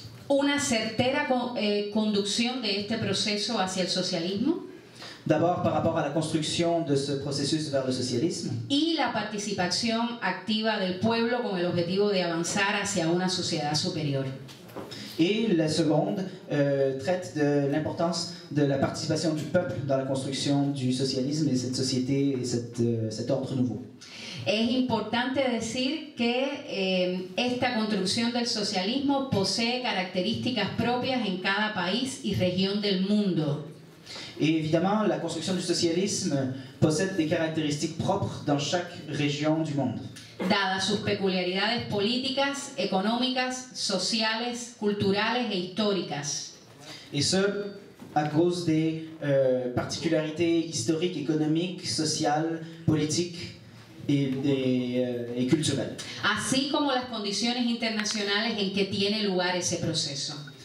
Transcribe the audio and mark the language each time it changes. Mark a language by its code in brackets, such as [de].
[es] Una certera conducción de este proceso hacia el socialismo. [fr] D'abord par rapport à la construction de ce processus vers le socialisme. [es] Y la participación activa del pueblo con el objetivo de avanzar hacia una sociedad superior. [fr] Et la seconde traite de l'importance de la participation du peuple dans la construction du socialisme et cette société et cet ordre nouveau. [es] Es importante decir que esta construcción del socialismo posee características propias en cada país y región del mundo. [fr] Et évidemment, la construction du socialisme possède des caractéristiques propres dans chaque région du monde. [es] Dadas sus peculiaridades políticas, económicas, sociales, culturales e históricas. [fr] Et ce, à cause des particularités historiques, économiques, sociales, politiques et culturelles. [es] Así como las condiciones internacionales en que tiene lugar ese proceso.